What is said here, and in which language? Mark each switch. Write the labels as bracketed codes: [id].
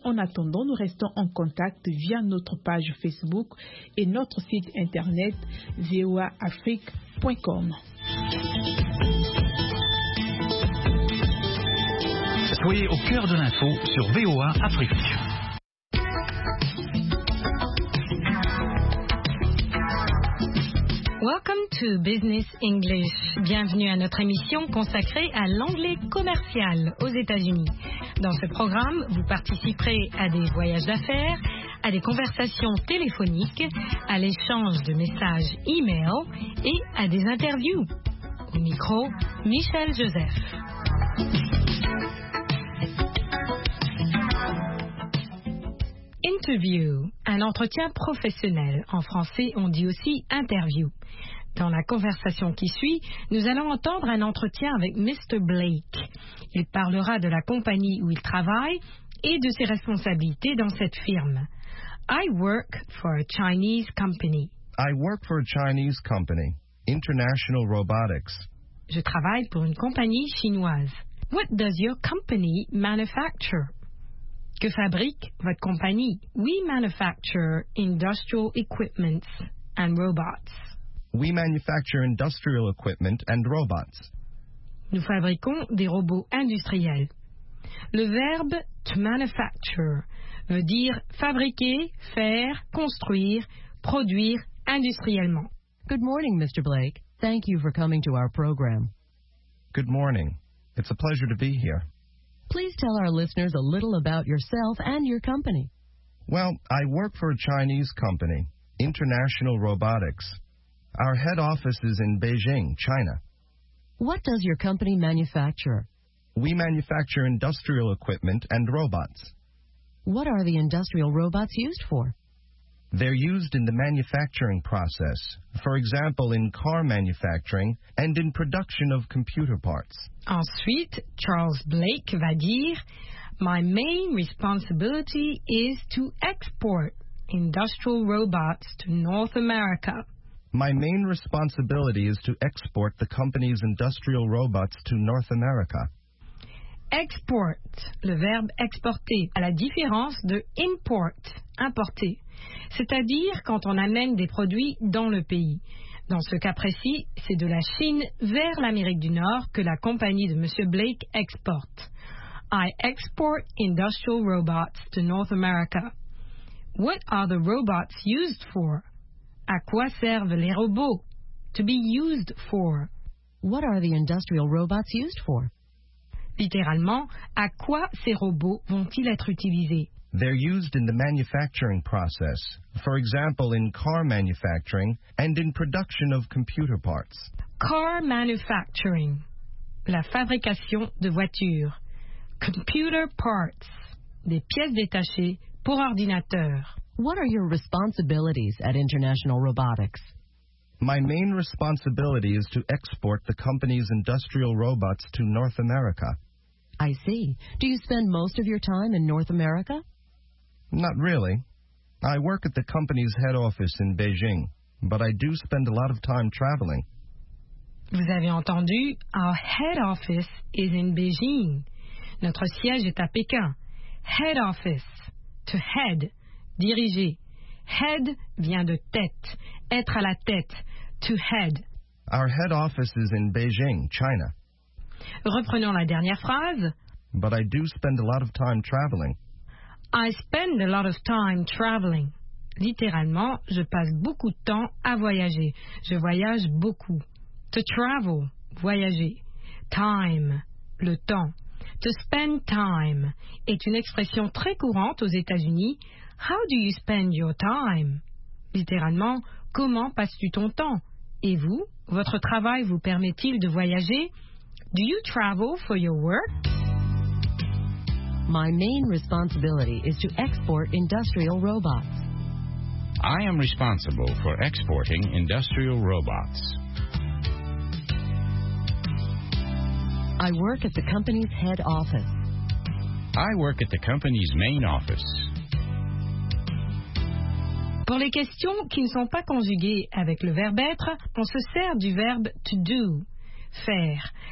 [fr] En attendant, nous restons en contact via notre page Facebook et notre site internet voaafrique.com. Soyez au cœur de l'info sur VOA Afrique. [en] Welcome to Business English. [fr] Bienvenue à notre émission consacrée à l'anglais commercial aux États-Unis. Dans ce programme, vous participerez à des voyages d'affaires, à des conversations téléphoniques, à l'échange de messages e-mail et à des interviews. Au micro, Michel Joseph. Interview, un entretien professionnel. En français, on dit aussi interview. Dans la conversation qui suit, nous allons entendre un entretien avec Mr. Blake. Il parlera de la compagnie où il travaille et de ses responsabilités dans cette firme. [en] I work for a Chinese company. I work for a Chinese company, International Robotics. [fr] Je travaille pour une compagnie chinoise. [en] What does your company manufacture? [fr] Que fabrique votre compagnie? [en] We manufacture industrial equipment and robots. We manufacture industrial equipment and robots. [fr] Nous fabriquons des robots industriels. Le verbe to manufacture veut dire fabriquer, faire, construire, produire industriellement. [en] Good morning, Mr. Blake. Thank you for coming to our program. Good morning. It's a pleasure to be here. Please tell our listeners a little about yourself and your company. Well, I work for a Chinese company, International Robotics. Our head office is in Beijing, China. What does your company manufacture? We manufacture industrial equipment and robots. What are the industrial robots used for? They're used in the manufacturing process, for example, in car manufacturing and in production of computer parts. [fr] Ensuite, Charles Blake va dire, [en] My main responsibility is to export industrial robots to North America. My main responsibility is to export the company's industrial robots to North America. [fr] Export, le verbe exporter, à la différence de import, importer, c'est-à-dire quand on amène des produits dans le pays. Dans ce cas précis, c'est de la Chine vers l'Amérique du Nord que la compagnie de M. [en] Blake exporte. I export industrial robots to North America. What are the robots used for? [fr] À quoi servent les robots? [en] To be used for. What are the industrial robots used for? [fr] Littéralement, à quoi ces robots vont-ils être utilisés? [en] They're used in the manufacturing process, for example, in car manufacturing and in production of computer parts. [fr] Car manufacturing, la fabrication de voitures. Computer parts, des pièces détachées pour ordinateur. [en] What are your responsibilities at International Robotics? My main responsibility is to export the company's industrial robots to North America. I see. Do you spend most of your time in North America? Not really. I work at the company's head office in Beijing, but I do spend a lot of time traveling. [fr] Vous avez entendu, [en] our head office is in Beijing. [fr] Notre siège est à Pékin. [en] Head office, to head, [fr] diriger. Head vient de tête, être à la tête, to head. [en] Our head office is in Beijing, China. [fr] Reprenons la dernière phrase. [en] But I do spend a lot of time traveling. I spend a lot of time traveling. [fr] Littéralement, je passe beaucoup de temps à voyager. Je voyage beaucoup. To travel, voyager. Time, le temps. To spend time est une expression très courante aux États-Unis. [en] How do you spend your time? [fr] Littéralement, comment passes-tu ton temps? Et vous, votre travail vous permet-il de voyager? [en] Do you travel for your work? My main responsibility is to export industrial robots. I am responsible for exporting industrial robots. I work at the company's head office. I work at the company's main office. [fr] Pour les questions qui ne sont pas conjuguées avec le verbe être, on se sert du verbe to do, faire.